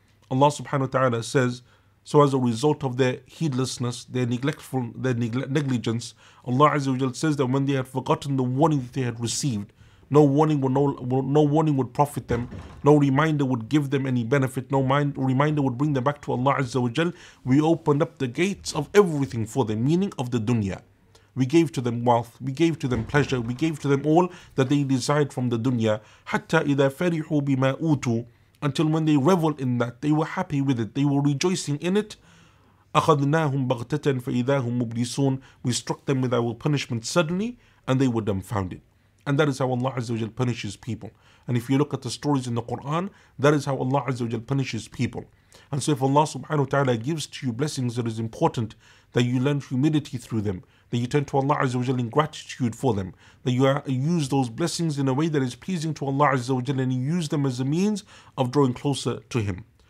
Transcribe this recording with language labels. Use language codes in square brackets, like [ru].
[en] Allah subhanahu wa ta'ala says, so as a result of their heedlessness, their negligence, Allah azza wa jal says that when they had forgotten the warning that they had received, no warning would profit them, no reminder would give them any benefit, no reminder would bring them back to Allah azza wa jal, we opened up the gates of everything for them, meaning of the dunya. We gave to them wealth, we gave to them pleasure, we gave to them all that they desired from the dunya. [ar] Hatta idha farihu bima utu, [en] until when they reveled in that, they were happy with it, they were rejoicing in it. [ar] أخذناهم بغتة فإذا هم مبلسون. [en] We struck them with our punishment suddenly and they were dumbfounded. And that is how Allah Azza wa Jal punishes people. And if you look at the stories in the Quran, that is how Allah Azza wa Jal punishes people. And so if Allah subhanahu wa ta'ala gives to you blessings, it is important that you learn humility through them, that you turn to Allah Azza wa Jal in gratitude for them, that you use those blessings in a way that is pleasing to Allah Azza wa Jal and you use them as a means of drawing closer to Him.